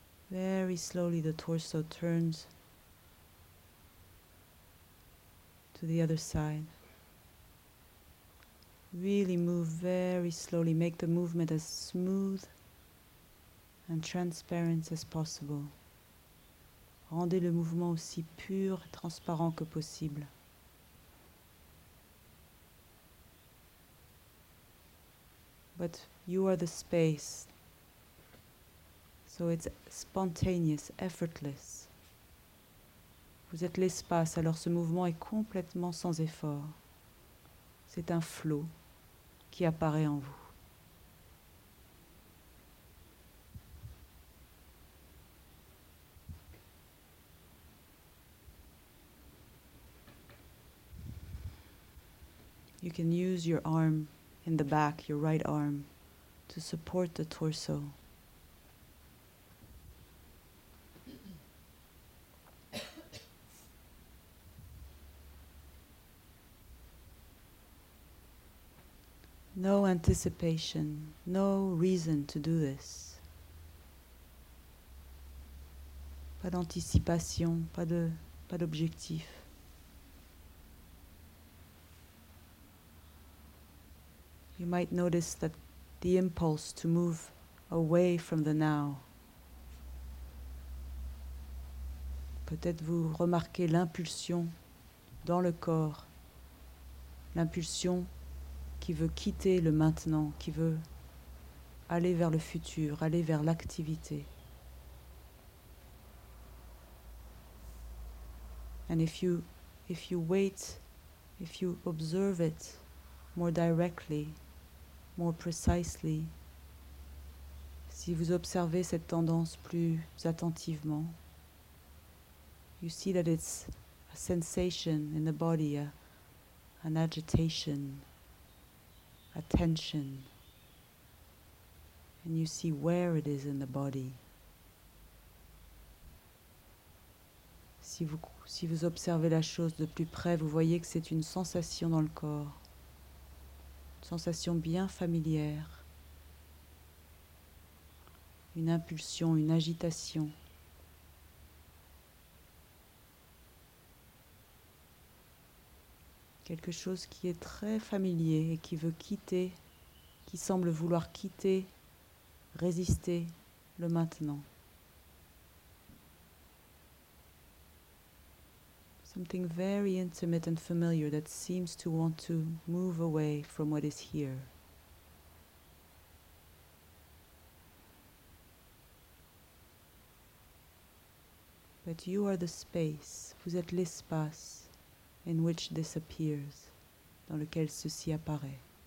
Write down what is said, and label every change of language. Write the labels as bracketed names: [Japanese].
[English] Very slowly the torso turns to the other side. Really move very slowly. Make the movement as smooth and transparent as possible. [French] Rendez le mouvement aussi pur et transparent que possible. [English] But you are the space, so it's spontaneous, effortless. [French] Vous êtes l'espace, alors ce mouvement est complètement sans effort. C'est un flot qui apparaît en vous. [English] You can use your arm in the back, your right arm, to support the torso. No anticipation, no reason to do this. [French] Pas d'anticipation, pas d'objectif. [English] You might notice that the impulse to move away from the now. [French] Peut-être vous remarquez l'impulsion dans le corps, l'impulsion qui veut quitter le maintenant, qui veut aller vers le futur, aller vers l'activité. [English] And if you observe it more directly, more precisely, [French] si vous observez cette tendance plus attentivement, [English] you see that it's a sensation in the body, an agitation, a tension, and you see where it is in the body. [French] Si vous observez la chose de plus près, vous voyez que c'est une sensation dans le corps. Sensation bien familière, une impulsion, une agitation. Quelque chose qui est très familier et qui veut quitter, qui semble vouloir quitter, résister le maintenant. [English] Something very intimate and familiar that seems to want to move away from what is here. But you are the space, [French] vous êtes l'espace [English] in which this appears, [French] dans lequel ceci apparaît.